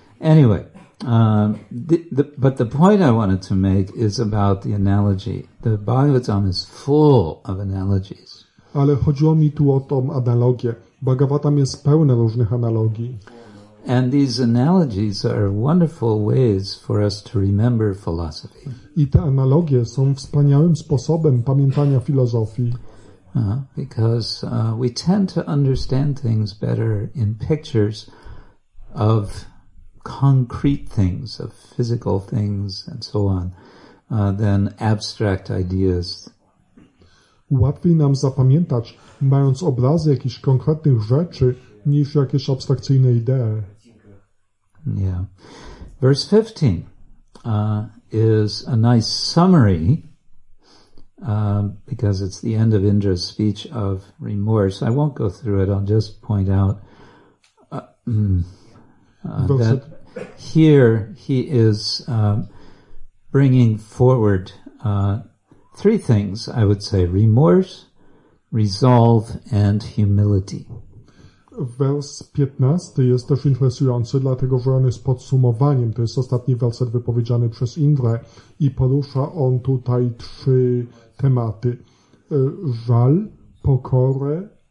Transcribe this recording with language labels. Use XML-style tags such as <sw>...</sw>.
<en>Anyway, but the point I wanted to make is about the analogy. The Bhagavatam is full of analogies.</en> <pl>Ale chodziło mi tu o tą analogię. Bhagavatam jest pełne różnych analogii.</pl> <en>And these analogies are wonderful ways for us to remember philosophy.</en> <pl>I te analogie są wspaniałym sposobem pamiętania filozofii.</pl> <en>Because we tend to understand things better in pictures of concrete things, of physical things and so on, than abstract ideas.</en> <pl>łatwiej nam zapamiętać, mając obrazy jakichś konkretnych rzeczy, niż jakieś abstrakcyjne idee. Yeah.</pl> <en>Verse 15 is a nice summary, because it's the end of Indra's speech of remorse. I won't go through it, I'll just point out that here he is bringing forward three things, I would say: remorse, resolve, and humility.</en> <pl>Wers 15 jest też interesujący, dlatego że on jest podsumowaniem. To jest ostatni werset wypowiedziany przez Indrę i porusza on tutaj trzy tematy: żal, pokorę,</pl>